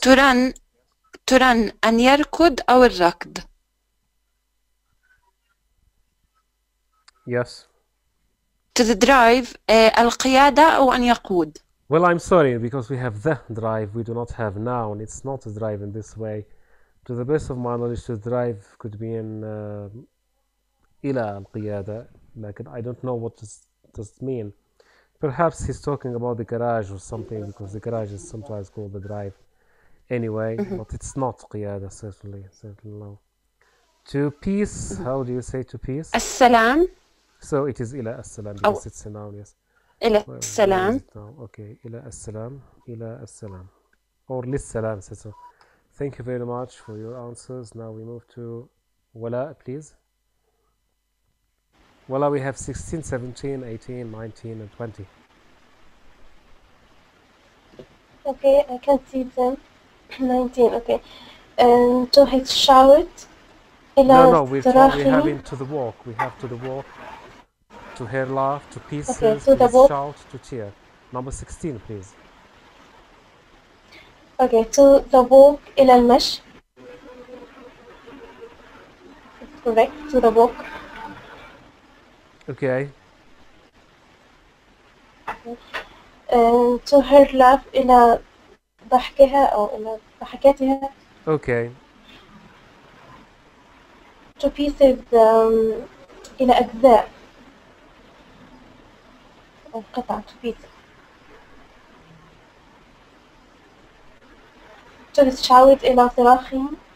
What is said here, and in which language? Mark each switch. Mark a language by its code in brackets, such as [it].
[en] To run, [ar] أن يركض أو الركض. [en] Yes. To the drive, [ar] القيادة أو أن يقود. [en] Well, I'm sorry, because we have the drive, we do not have noun. It's not a drive in this way. To the best of my knowledge, to drive could be in [ar] إلى القيادة. [en] Like, I don't know what does it mean. Perhaps he's talking about the garage or something, because the garage is sometimes called the drive. Anyway, mm-hmm. but it's not قيادة, certainly no. To peace, mm-hmm. how do you say to peace? [ar] السلام. [en] So it is [ar] إلى السلام, [en] because it's a noun, yes. [ar] إلى السلام. Okay, إلى السلام, إلى السلام. [en] Or للسلام, so. Thank you very much for your answers. Now we move to ولا, please. ولا, we have 16, 17, 18, 19, and 20. Okay, I can see them. 19, okay. And to his shout, إلى [ar] التراخي. [en] No, we have into the walk, we have to the walk. To hear laugh, to pieces, okay, to the book. Shout, to cheer. Number 16, please. Okay, to the walk, [ar] إلى المش. [en] Correct, to the walk. Okay. To hear laugh, [ar] إلى ضحكها أو إلى ضحكاتها. [en] Okay. To pieces, [ar] إلى أجزاء. [en] To his shout, [ar] إلى صراخي.